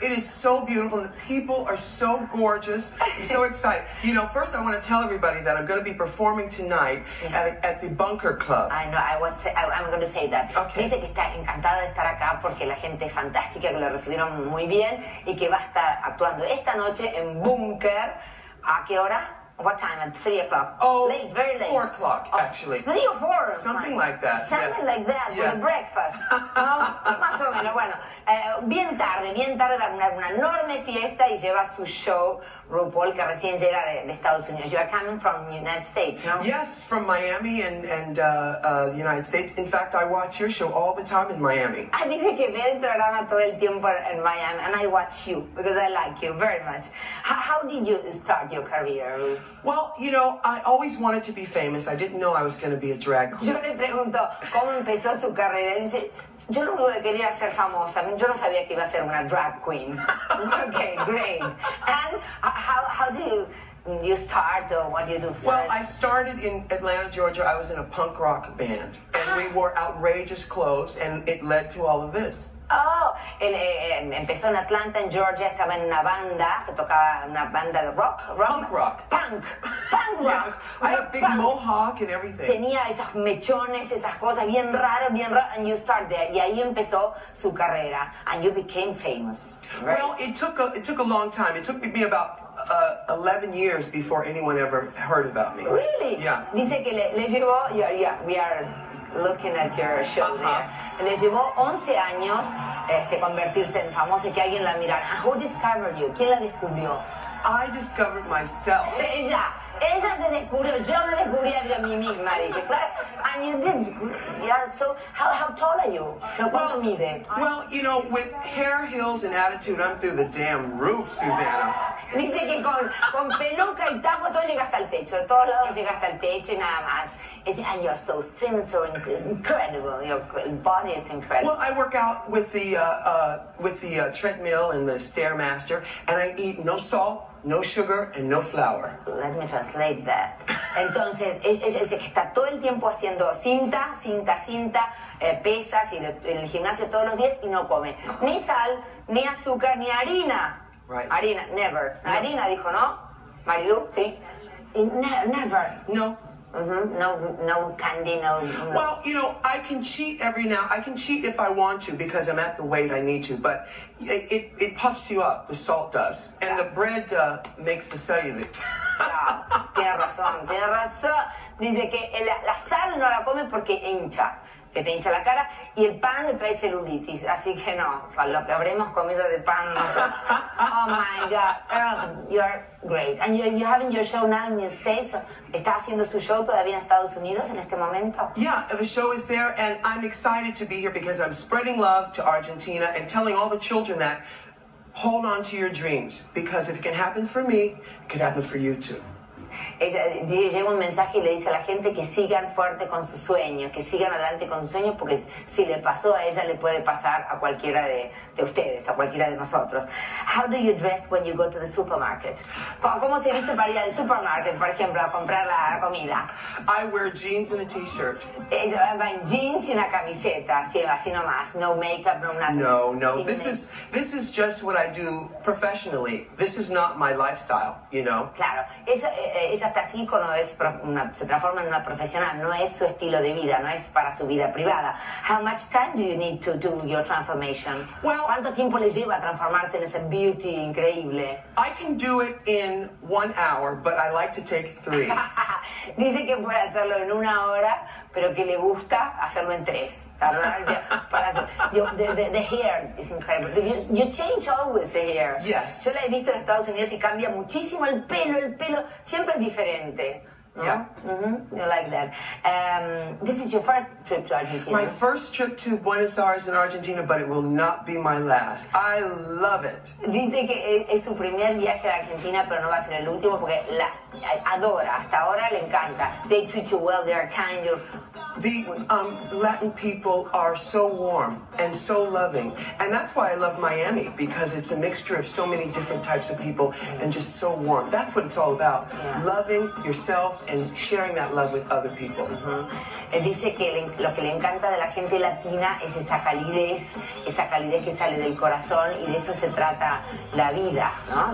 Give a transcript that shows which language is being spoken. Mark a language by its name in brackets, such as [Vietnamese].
[English] It is so beautiful and the people are so gorgeous. I'm so excited. You know, first I want to tell everybody that I'm going to be performing tonight at the Bunker Club. I know, I'm going to say that. Okay. [Spanish] Dice que está encantada de estar acá porque la gente es fantástica, que lo recibieron muy bien y que va a estar actuando esta noche en Bunker. ¿A qué hora? [English] What time? At 3 o'clock. Oh, late, very late. 4 o'clock, actually. Oh, 3 or 4. Something like that. Something yeah. like that. Yeah. For the breakfast. [Spanish] Más o menos. Bueno, bien tarde. Una enorme fiesta y lleva su show, RuPaul, que recién llega de Estados Unidos. [English] You are coming from United States, no? Yes, from Miami and United States. In fact, I watch your show all the time in Miami. [Spanish] Ah, dice que ve el programa todo el tiempo en Miami, [English] and I watch you because I like you very much. How did you start your career? Well, you know, I always wanted to be famous. I didn't know I was going to be a drag queen. [Spanish] Yo le pregunto cómo empezó su carrera. Dice, yo no quería ser famosa. Yo no sabía que iba a ser una drag queen. [English] Okay, great. And how do you start or what do you do first? Well, I started in Atlanta, Georgia. I was in a punk rock band. And we wore outrageous clothes and it led to all of this. [Spanish] Oh, empezó en Atlanta, en Georgia, estaba en una banda que tocaba una banda de rock. [English] Punk rock. Yeah, I had a big mohawk and everything. [Spanish] Tenía esas mechones, esas cosas bien raras, [English] and you start there. [Spanish] Y ahí empezó su carrera, [English] and you became famous. Right? Well, it took a long time. It took me about 11 years before anyone ever heard about me. Really? Yeah. [Spanish] Dice que le llevó, [English] we are looking at your show there. [Spanish] Les llevó 11 años convertirse en famosa y que alguien la mirara. [English] Who discovered you? [Spanish] ¿Quién la descubrió? [English] I discovered myself. [Spanish] Ella se descubrió. Yo me descubrí a mí misma, dice. [English] And you did. Yeah, so how tall are you? [Spanish] ¿Cuánto mide? [English] Well, you know, with hair, heels, and attitude, I'm through the damn roof, Susanna. [Spanish] Dice que con peluca y tacos todo llega hasta el techo. De todos lados llega hasta el techo y nada más. [English] And you're so thin, so incredible. Your body is incredible. Well, I work out with the treadmill and the Stairmaster, and I eat no salt, no sugar, and no flour. Let me translate that. [Spanish] Entonces, ella está todo el tiempo haciendo cinta, pesas y en el gimnasio todos los días y no come ni sal, ni azúcar, ni harina. [English] Right. [Spanish] Harina, [English] never. [Spanish] No. Harina, dijo, ¿no? Marilu, sí. [English] Never. No. No candy. Well, you know, I can cheat every now. I can cheat if I want to because I'm at the weight I need to. But it puffs you up. The salt does, and the bread makes the cellulite. [Spanish] Tiene razón. Dice que la sal no la come porque hincha. Que te hincha la cara y el pan le trae celulitis, así que no, para lo que habremos comido de pan, no. [English] Oh my God, you're great. And you're having your show now in the States, so [Spanish] está haciendo su show todavía en Estados Unidos en este momento. [English] Yeah, the show is there and I'm excited to be here because I'm spreading love to Argentina and telling all the children that hold on to your dreams because if it can happen for me, it can happen for you too. [Spanish] Ella lleva un mensaje y le dice a la gente que sigan fuerte con sus sueños, que sigan adelante con sus sueños, porque si le pasó a ella, le puede pasar a cualquiera de ustedes, a cualquiera de nosotros. [English] How do you dress when you go to the supermarket? [Spanish] ¿Cómo se viste para ir al supermarket, por ejemplo, a comprar la comida? [English] I wear jeans and a t-shirt. [Spanish] Ella va en jeans y una camiseta, así nomás, no makeup, no nada. [English] No. This is just what I do professionally. This is not my lifestyle, you know? [Spanish] Claro. Ella está así cuando se transforma en una profesional. No es su estilo de vida, no es para su vida privada. [English] How much time do you need to do your transformation? Well, [Spanish] ¿cuánto tiempo le lleva a transformarse en ese beauty increíble? [English] I can do it in 1 hour, but I like to take 3. [Spanish] Dice que puede hacerlo en 1 hora, pero que le gusta hacerlo en 3. [English] The hair is incredible. You change always the hair. Yes. [Spanish] Yo la he visto en Estados Unidos y cambia muchísimo el pelo siempre es diferente. [English] Yeah. Mm-hmm. You like that. This is your first trip to Argentina. My first trip to Buenos Aires in Argentina, but it will not be my last. I love it. [Spanish] Dice que es su primer viaje a Argentina, pero no va a ser el último porque la adora. Hasta ahora le encanta. [English] They treat you well. They are kind. The Latin people are so warm and so loving. And that's why I love Miami, because it's a mixture of so many different types of people and just so warm. That's what it's all about. Yeah. Loving yourself and sharing that love with other people. Uh-huh. [Spanish] Dice que lo que le encanta de la gente latina es esa calidez que sale del corazón, y de eso se trata la vida, ¿no?